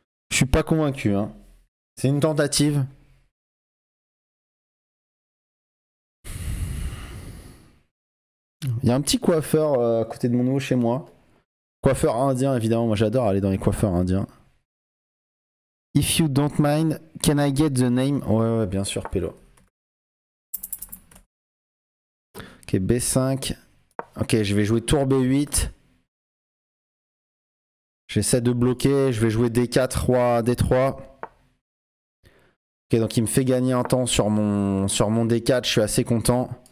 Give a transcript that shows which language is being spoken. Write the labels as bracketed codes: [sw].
[fr] Je suis pas convaincu, hein. C'est une tentative. Il y a un petit coiffeur à côté de mon nouveau chez moi. Coiffeur indien, évidemment. Moi, j'adore aller dans les coiffeurs indiens. [en] If you don't mind, can I get the name? [fr] Ouais, ouais, bien sûr, Pélo. Ok, B5. Ok, je vais jouer tour B8. J'essaie de bloquer. Je vais jouer D4, Roi, D3. Ok, donc il me fait gagner un temps sur mon D4. Je suis assez content.